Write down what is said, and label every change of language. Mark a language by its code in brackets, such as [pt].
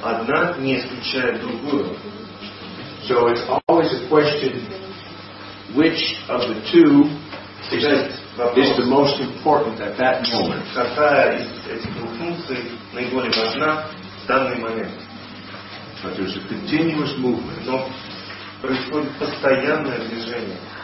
[ru] Одна не исключает другую. [en] So it's always a question which of the two is the most important at that moment. [ru] Какая из этих двух функций наиболее важна в данный момент? [en] But there's a continuous movement. [ru] Но происходит постоянное движение.